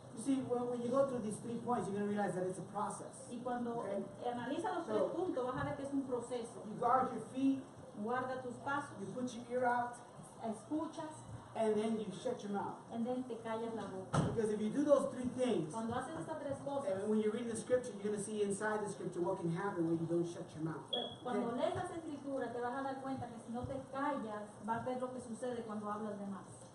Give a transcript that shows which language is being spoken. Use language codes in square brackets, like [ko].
[en] You see, when you go through these three points, you're going to realize that it's a process. [es] Y cuando analiza los tres puntos, vas a ver que es un proceso. [en] You guard your feet. [es] Guarda tus pasos. [en] You put your ear out. [es] Escuchas. [en] And then you shut your mouth. And then [es] te callas la boca. [en] Because if you do those three things, [es] cuando haces estas tres cosas, [en] and when you read the scripture, you're going to see inside the scripture what can happen when you don't shut your mouth. [es] Cuando okay? lees las escrituras, te vas a dar cuenta que si no te callas, va a ver lo que sucede cuando hablas de más.